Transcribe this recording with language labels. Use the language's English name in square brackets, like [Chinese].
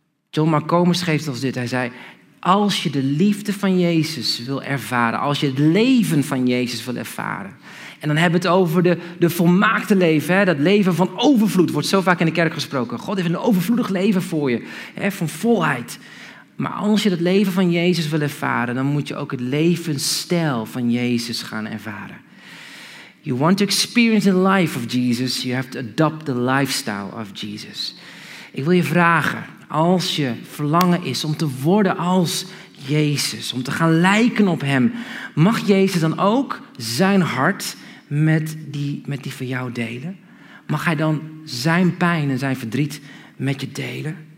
[Dutch] John Marcomus schreef als dit, hij zei, als je de liefde van Jezus wil ervaren, als je het leven van Jezus wil ervaren, en dan hebben we het over de volmaakte leven, hè, dat leven van overvloed, wordt zo vaak in de kerk gesproken. God heeft een overvloedig leven voor je, hè, van volheid. Maar als je het leven van Jezus wil ervaren, dan moet je ook het levensstijl van Jezus gaan ervaren. [English] You want to experience the life of Jesus, you have to adopt the lifestyle of Jesus. [Dutch] Ik wil je vragen, als je verlangen is om te worden als Jezus, om te gaan lijken op hem, mag Jezus dan ook zijn hart met die van jou delen? Mag hij dan zijn pijn en zijn verdriet met je delen?